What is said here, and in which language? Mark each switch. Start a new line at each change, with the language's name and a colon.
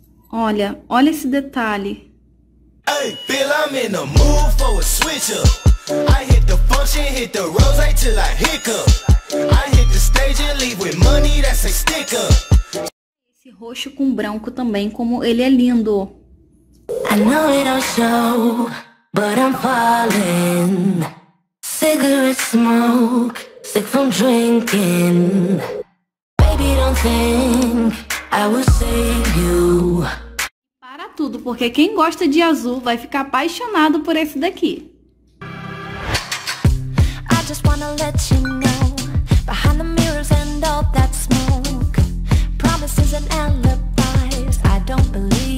Portuguese: Olha, olha esse detalhe. Esse roxo com branco também, como ele é lindo.
English: I know it don't show, but I'm falling. cigarette smoke, sick from drinking. Baby, don't think I will save you.
Portuguese: Para tudo, porque quem gosta de azul vai ficar apaixonado por esse daqui.
English: I just wanna let you know, behind the mirrors and all that smoke, promises and alibis, I don't believe.